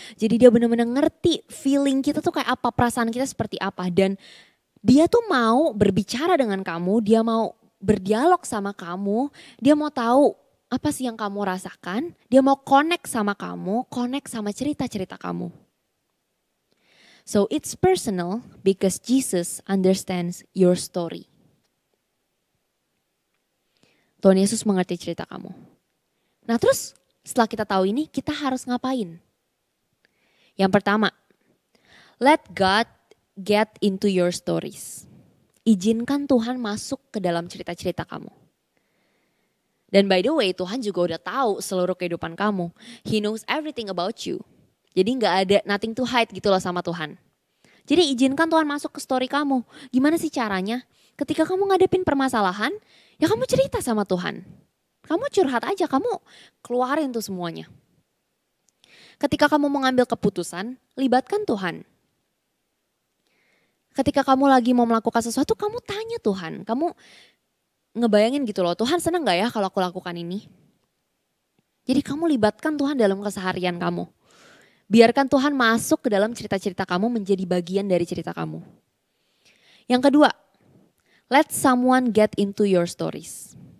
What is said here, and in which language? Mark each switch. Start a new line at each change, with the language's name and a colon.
Indonesian: Jadi dia benar-benar ngerti feeling kita tuh kayak apa, perasaan kita seperti apa. Dan dia tuh mau berbicara dengan kamu, dia mau berdialog sama kamu, dia mau tahu apa sih yang kamu rasakan, dia mau connect sama kamu, connect sama cerita-cerita kamu.
English: So it's personal because Jesus understands your story.
Indonesian: Tuhan Yesus mengerti cerita kamu. Nah terus setelah kita tahu ini, kita harus ngapain? Yang pertama,
English: let God get into your stories.
Indonesian: Izinkan Tuhan masuk ke dalam cerita-cerita kamu. Dan
English: by the way,
Indonesian: Tuhan juga udah tahu seluruh kehidupan kamu.
English: He knows everything about you.
Indonesian: Jadi gak ada
English: nothing to hide
Indonesian: gitu loh sama Tuhan. Jadi izinkan Tuhan masuk ke story kamu. Gimana sih caranya? Ketika kamu ngadepin permasalahan, ya kamu cerita sama Tuhan. Kamu curhat aja, kamu keluarin tuh semuanya. Ketika kamu mau ngambil keputusan, libatkan Tuhan. Ketika kamu lagi mau melakukan sesuatu, kamu tanya Tuhan. Kamu ngebayangin gitu loh, Tuhan senang gak ya kalau aku lakukan ini? Jadi kamu libatkan Tuhan dalam keseharian kamu. Biarkan Tuhan masuk ke dalam cerita-cerita kamu, menjadi bagian dari cerita kamu. Yang kedua,
English: let someone get into your stories.